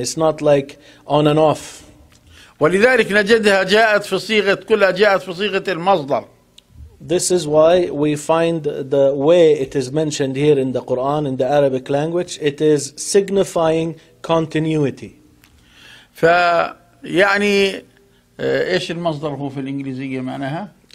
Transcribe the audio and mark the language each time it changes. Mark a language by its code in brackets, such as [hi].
[en] It's not like on and off. [ar] ولذلك نجدها جاءت في صيغة كلها جاءت في صيغة المصدر. [en] This is why we find the way it is mentioned here in the Quran in the Arabic language. It is signifying continuity. [ar] ف يعني إيش المصدر هو في الإنجليزية معناها؟